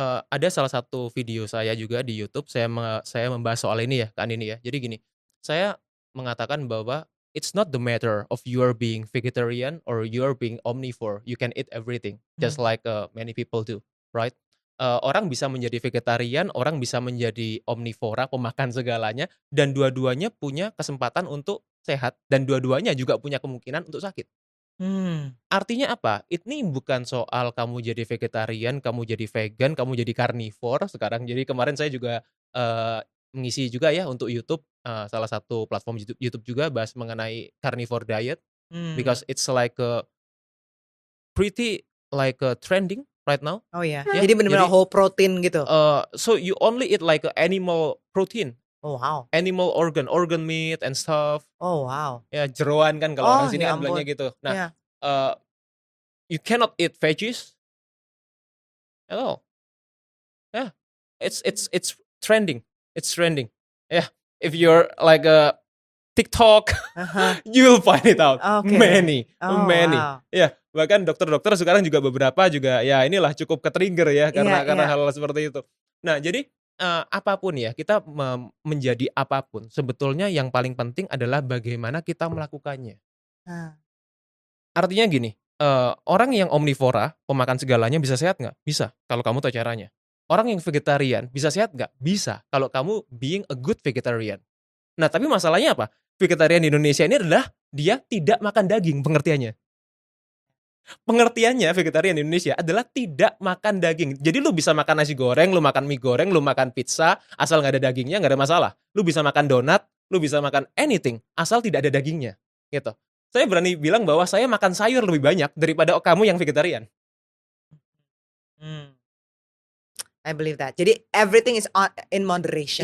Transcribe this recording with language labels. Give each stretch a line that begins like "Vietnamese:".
Indonesian: Ada salah satu video saya juga di YouTube, saya membahas soal ini ya kan ini ya. Jadi gini, saya mengatakan bahwa
English: it's not the matter of you are being vegetarian or you are being omnivore, you can eat everything just like many people do, right?
Indonesian: Orang bisa menjadi vegetarian, orang bisa menjadi omnivora, pemakan segalanya, dan dua-duanya punya kesempatan untuk sehat, dan dua-duanya juga punya kemungkinan untuk sakit. Artinya apa? Ini bukan soal kamu jadi vegetarian, kamu jadi vegan, kamu jadi carnivore sekarang. Jadi kemarin saya juga mengisi juga ya untuk YouTube, salah satu platform YouTube juga bahas mengenai carnivore diet,
English: because it's like pretty like trending right now.
Indonesian: Oh ya. Yeah. Yeah. Jadi benar-benar whole protein gitu.
English: So you only eat like animal protein. Oh wow. Animal organ meat and stuff. Oh wow.
Indonesian: Ya, yeah, jeroan kan kalau orang sini ambilnya gitu.
English: Nah, you cannot eat veggies at all. Yeah. It's trending. It's trending. Yeah. If you're like a TikTok, you will find it out. Okay. Many. Wow. Yeah.
Indonesian: Bahkan dokter-dokter sekarang juga beberapa juga ya inilah cukup ketrigger ya karena hal seperti itu. Nah, jadi apapun ya, kita menjadi apapun, sebetulnya yang paling penting adalah bagaimana kita melakukannya. Artinya gini, orang yang omnivora, pemakan segalanya, bisa sehat nggak? Bisa, kalau kamu tahu caranya. Orang yang vegetarian, bisa sehat nggak? Bisa, kalau kamu
English: being a good vegetarian.
Indonesian: Nah, tapi masalahnya apa? Vegetarian di Indonesia ini adalah dia tidak makan daging, pengertiannya. pengertiannya vegetarian di Indonesia adalah tidak makan daging. Jadi lu bisa makan nasi goreng, lu makan mie goreng, lu makan pizza, asal gak ada dagingnya gak ada masalah. Lu bisa makan donat, lu bisa makan anything, asal tidak ada dagingnya. Gitu. Saya berani bilang bahwa saya makan sayur lebih banyak daripada kamu yang vegetarian.
English: I believe that. Jadi everything is in moderation.